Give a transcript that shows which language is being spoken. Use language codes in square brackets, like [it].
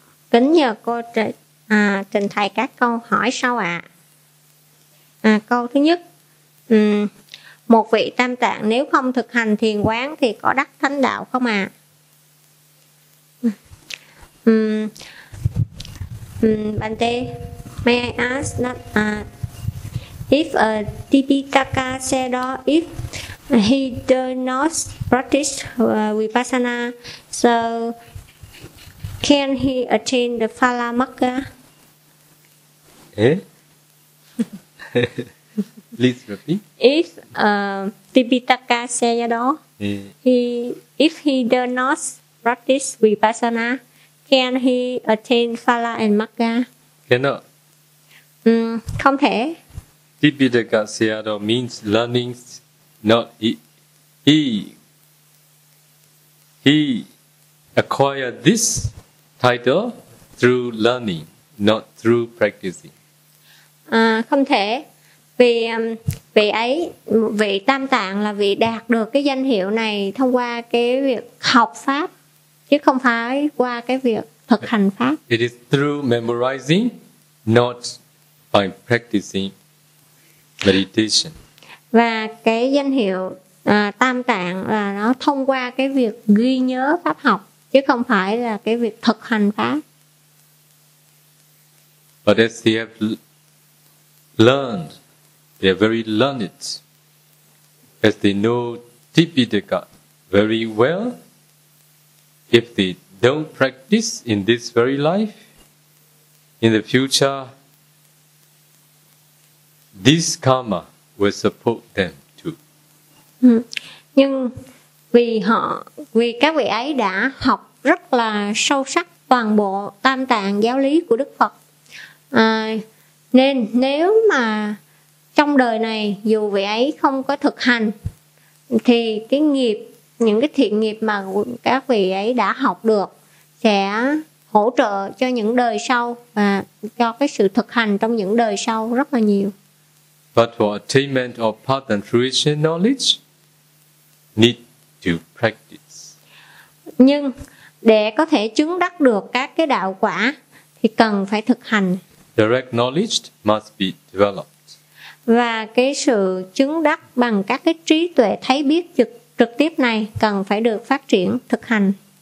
[vi] Kính nhờ cô trình thầy các câu hỏi sau ạ. Câu thứ nhất, một vị tam tạng nếu không thực hành thiền quán thì có đắc thánh đạo không ạ? [en] Bante, may I ask that if a Tipitaka said or if he does not practice vipassana, so can he attain the Phalamagga? Eh? Please repeat. If Tipitaka Sayadaw, if he does not practice vipassana, can he attain Phala and Magga? Cannot. [vi] Không thể. [en] Tipitaka Sayadaw means learning, not he acquired this title through learning, not through practicing. [vi] Không thể, vì vị ấy, vị tam tạng là vị đạt được cái danh hiệu này thông qua cái việc học pháp, chứ không phải qua cái việc thực hành pháp. [en] It is through memorizing, not by practicing meditation. [vi] Và cái danh hiệu tam tạng là nó thông qua cái việc ghi nhớ pháp học, chứ không phải là cái việc thực hành pháp. [en] But as they have learned, they are very learned. As they know Tipitaka very well, if they don't practice in this very life, in the future, this karma will support them too. [vi] Nhưng vì các vị ấy đã học rất là sâu sắc toàn bộ tam tạng giáo lý của Đức Phật. Nên nếu mà trong đời này dù vị ấy không có thực hành thì cái nghiệp, những cái thiện nghiệp mà các vị ấy đã học được sẽ hỗ trợ cho những đời sau và cho cái sự thực hành trong những đời sau rất là nhiều. [en] But for attainment of pattern fruition knowledge, need to practice. [vi] Nhưng để có thể chứng đắc được các cái đạo quả thì cần phải thực hành. [en] Direct knowledge must be developed. [vi] Và cái sự chứng đắc bằng các cái trí tuệ thấy biết trực tiếp này cần phải được phát triển, thực hành.